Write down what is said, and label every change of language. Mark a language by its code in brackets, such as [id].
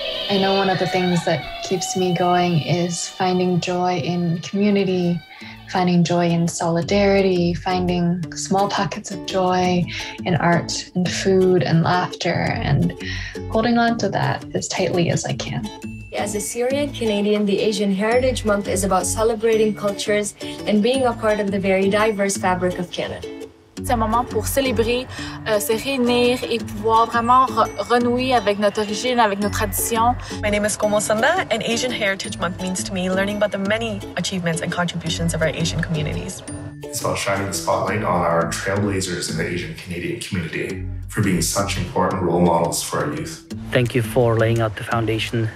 [en] I know one of the things that keeps me going is finding joy in community, finding joy in solidarity, finding small pockets of joy in art and food and laughter, and holding on to that as tightly as I can. As a Syrian Canadian, the Asian Heritage Month is about celebrating cultures and being a part of the very diverse fabric of Canada. [fr] C'est un moment pour célébrer, se réunir et pouvoir vraiment renouer avec notre origine, avec nos traditions. [en] My name is Komal Sanda, and Asian Heritage Month means to me learning about the many achievements and contributions of our Asian communities. It's about shining the spotlight on our trailblazers in the Asian Canadian community for being such important role models for our youth. Thank you for laying out the foundation.